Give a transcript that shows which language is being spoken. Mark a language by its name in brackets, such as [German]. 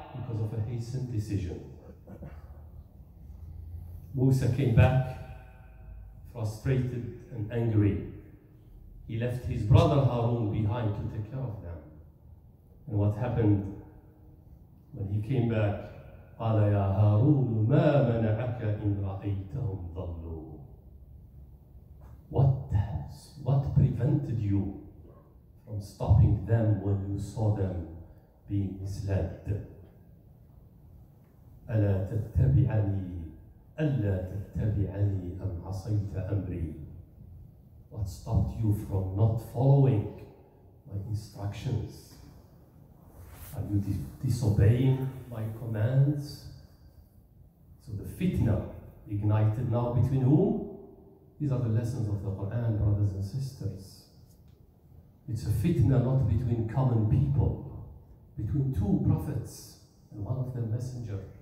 [English] Because of a hasty decision. Musa came back frustrated and angry. He left his brother Harun behind to take care of them. And what happened when he came back? [Arabic] قال يا هارون ما منعك إن رأيتهم ضلوا. [English] What prevented you from stopping them when you saw them being misled? [Arabic] ألا تتبعني ألا تتبعني أم عصيت أمري. [English] What stopped you from not following my instructions? Are you disobeying my commands? So the fitna ignited now between whom? These are the lessons of the Quran, brothers and sisters. It's a fitna not between common people, between two prophets and one of them messenger.